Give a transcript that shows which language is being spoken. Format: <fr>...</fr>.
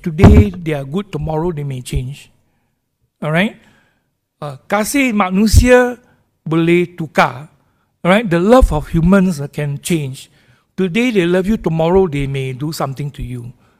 <en>Today they are good, tomorrow they may change. Alright?</en> <ms>Kasih manusia boleh tukar.</ms> <en>Alright? The love of humans can change. Today they love you, tomorrow they may do something to you.</en>